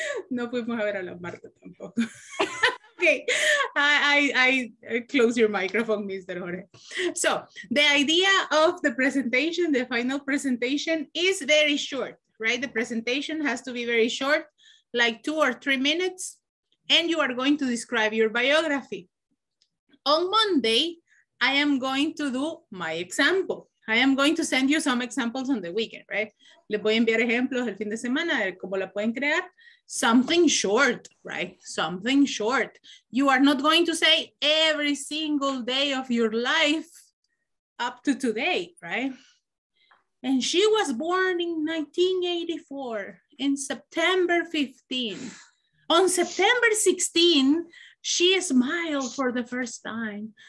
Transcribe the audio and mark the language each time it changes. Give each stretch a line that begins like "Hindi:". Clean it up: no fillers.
Spanish: No fuimos a ver a la Marta tampoco.
English: Okay, I close your microphone, Mr. Jorge. So, the idea of the presentation, the final presentation, is very short, right? The presentation has to be very short, like 2 or 3 minutes, and you are going to describe your biography. On Monday, I am going to do my example. I am going to send you some examples on the weekend, right?
Spanish: Les voy a enviar ejemplos el fin de semana de cómo la pueden crear.
English: Something short, right? Something short. You are not going to say every single day of your life up to today, right? And she was born in 1984 in September 15. On September 16, she smiled for the first time.